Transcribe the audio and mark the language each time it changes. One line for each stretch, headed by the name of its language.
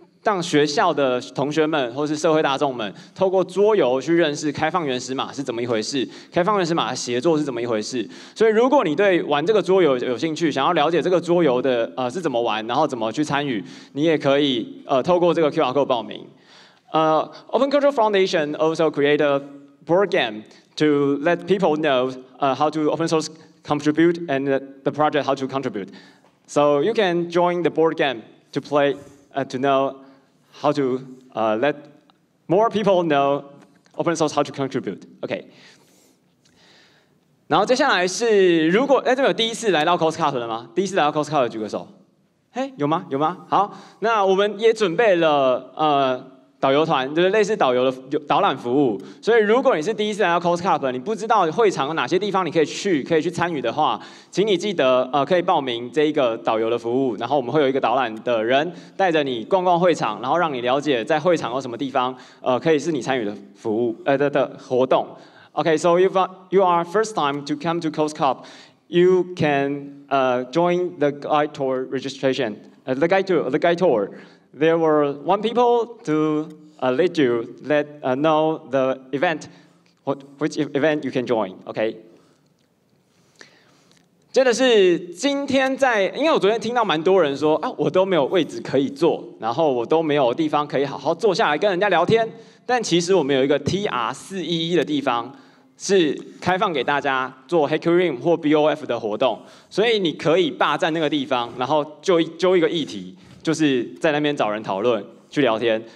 Chinese: 让学校的同学们或是社会大众们透过桌游去认识开放原始码是怎么一回事，开放原始码的协作是怎么一回事。所以如果你对玩这个桌游有兴趣，想要了解这个桌游的是怎么玩，然后怎么去参与，你也可以透过这个 QR code 报名。
English: Open Culture Foundation also created a board game to let people know how to open source contribute and the project how to contribute. So you can join the board game to play. To know how to let more people know open source how to contribute.
Chinese: Okay. 然后接下来是如果这边有第一次来到 Coast Cup 的吗？第一次来到 Coast Cup 的举个手。嘿，有吗？有吗？好，那我们也准备了导游团，就是类似导游的导览服务。所以如果你是第一次来到 Coast Cup， 你不知道会场哪些地方你可以去，可以去参与的话，请你记得可以报名这一个导游的服务，然后我们会有一个导览的人带着你逛逛会场，然后让你了解在会场有什么地方可以是你参与的服务的活动。
English: OK, so if you are first time to come to Coast Cup, you can join the guide tour registration the guide tour. There were one people to lead you, let know the event, which event you can join. Okay.
Chinese: 接着是今天在，因为我昨天听到蛮多人说啊，我都没有位置可以坐，然后我都没有地方可以好好坐下来跟人家聊天。但其实我们有一个 TR411的地方。是开放给大家做 Hacker Room 或 BOF 的活动，所以你可以霸占那个地方，然后就一个议题，就是在那边找人讨论去聊天。